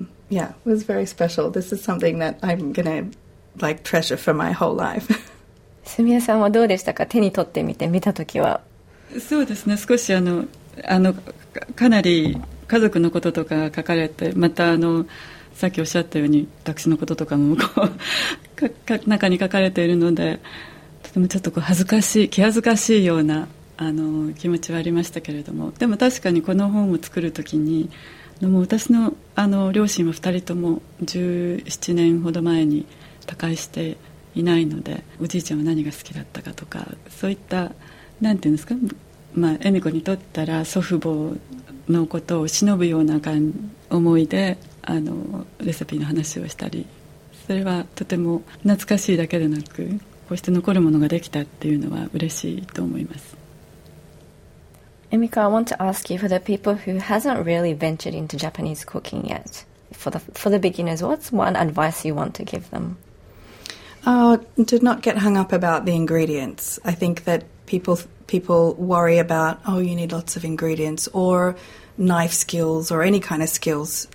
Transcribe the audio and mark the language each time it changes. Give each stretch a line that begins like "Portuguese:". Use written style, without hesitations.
English: It was very special. This is something that I'm gonna like treasure for my whole life.
Japanese: すみれさんはどうでしたか？手に取ってみて見たときは。そうですね、少しあのかなり家族のこととかが書かれて、またあのさっきおっしゃったように私のこととかもこうか中に書かれているので、とてもちょっとこう恥ずかしい、気恥ずかしいようなあの気持ちはありましたけれども、でも確かにこの本を作るときに、でも私 の, あの両親は2人とも17年ほど前に他界していないので、おじいちゃんは何が好きだったかとか、そういったなんていうんですか、まあ、恵美子にとったら祖父母のことを偲ぶような思いであのレシピの話をしたり、それはとても懐かしいだけでなく、こうして残るものができたっていうのは嬉しいと思います。
English: 恵美子、 I want to ask you, for the people who hasn't really ventured into Japanese cooking yet, for the beginners, what's one advice you want to give them? To not get hung up about the ingredients. I think that people worry about, oh, you need lots of ingredients or knife skills or any kind of skills.